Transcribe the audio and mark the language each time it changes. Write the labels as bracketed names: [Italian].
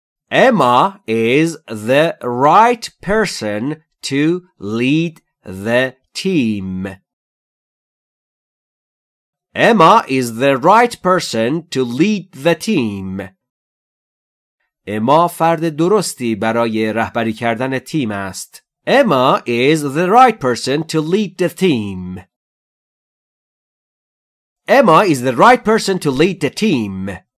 [English] Emma is the right person to lead the team. Emma is the right person to lead the team. [Persian] Emma فرد درستی برای رهبری کردن تیم است. [English] Emma is the right person to lead the team. Emma is the right person to lead the team.